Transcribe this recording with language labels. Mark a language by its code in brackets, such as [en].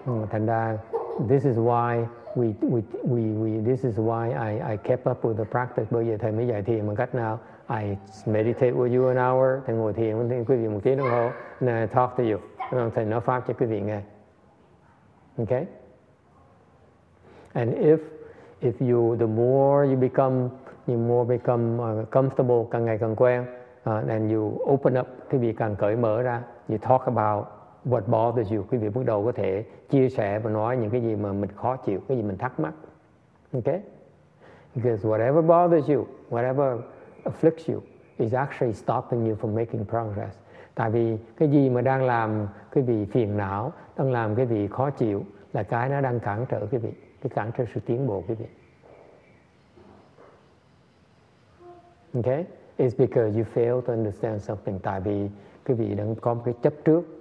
[vi] Thành ra, [en] this is why we this is why I kept up with the practice. [vi] Bây giờ thầy mới dạy thiền bằng cách nào? [en] I meditate with you an hour. [vi] Thầy ngồi thiền với quý vị một tiếng đồng hồ. [en] And then I talk to you. [vi] Thầy nói pháp cho quý vị nghe. [en] Okay. And if you the more you become, you more become comfortable, [vi] càng ngày càng quen. [en] And you open up, [vi] quý vị càng cởi mở ra. [en] You talk about what bothers you. [vi] Quý vị bắt đầu có thể chia sẻ và nói những cái gì mà mình khó chịu, cái gì mình thắc mắc. [en] Okay? Because whatever bothers you, whatever afflicts you, is actually stopping you from making progress. [vi] Tại vì cái gì mà đang làm quý vị phiền não, đang làm quý vị khó chịu, là cái nó đang cản trở quý vị, cái cản trở sự tiến bộ quý vị. [en] Okay? It's because you fail to understand something. [vi] Tại vì quý vị đang có một cái chấp trước.